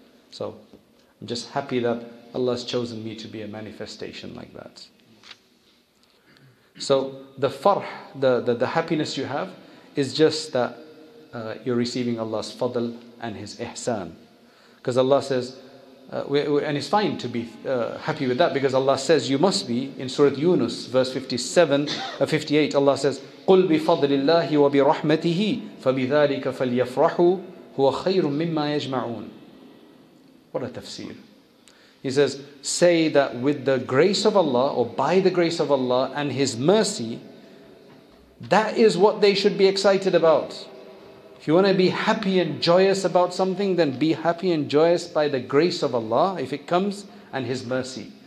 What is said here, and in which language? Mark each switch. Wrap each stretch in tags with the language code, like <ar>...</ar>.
<en>So I'm just happy that Allah has chosen me to be a manifestation like that. So the farh, the happiness you have, is just that you're receiving Allah's fadl and His ihsan. Because Allah says, and it's fine to be happy with that, because Allah says you must be. In Surah Yunus, verse 58, Allah says,</en> <ar>قُلْ بِفَضْلِ اللَّهِ وَبِرَحْمَتِهِ فَبِذَٰلِكَ فَلْيَفْرَحُوا هُوَ خَيْرٌ مِمَّا يَجْمَعُونَ.</ar> <en>What a tafsir. He says, say that with the grace of Allah, or by the grace of Allah and His mercy, that is what they should be excited about. If you want to be happy and joyous about something, then be happy and joyous by the grace of Allah, if it comes, and His mercy.</en>